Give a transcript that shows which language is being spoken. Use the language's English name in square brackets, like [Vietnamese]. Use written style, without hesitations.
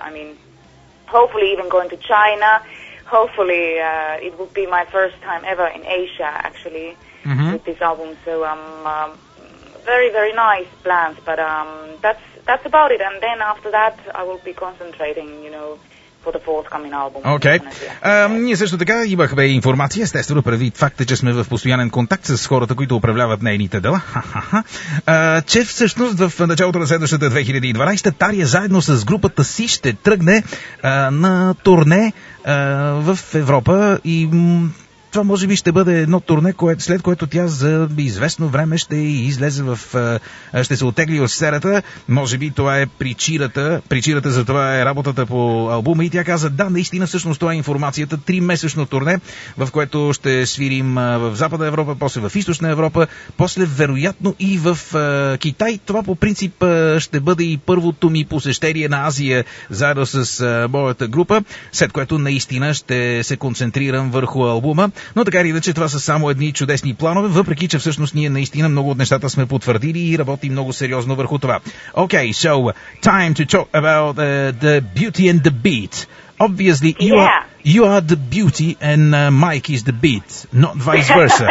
[English] I mean, hopefully even going to China. Hopefully, it will be my first time ever in Asia, actually, with this album. So, very, very nice plans, but that's about it. And then after that, I will be concentrating, you know, for the forthcoming album. [Bulgarian] Okay. Ние също така имахме информация, естествено, преди факта, че сме в постоянен контакт с хората, които управляват нейните дела. Че всъщност в началото на следващата 2012-та Тария заедно с групата си ще тръгне на турне в Европа и това може би ще бъде едно турне, което, след което тя за известно време ще излезе в... ще се отегли от сцената. Може би това е причината. Причината за това е работата по албума. И тя каза, да, наистина, всъщност това е информацията. Тримесечно турне, в което ще свирим в Западна Европа, после в Източна Европа, после вероятно и в Китай. Това по принцип ще бъде и първото ми посещение на Азия заедно с моята група, след което наистина ще се концентрирам върху албума. Но така или иначе, това са само едни чудесни планове, въпреки че всъщност ние наистина много от нещата сме потвърдили и работим много сериозно върху това. [English] Okay, so time to talk about the beauty and the beat. Obviously, you are the beauty and Mike is the beat, not vice versa.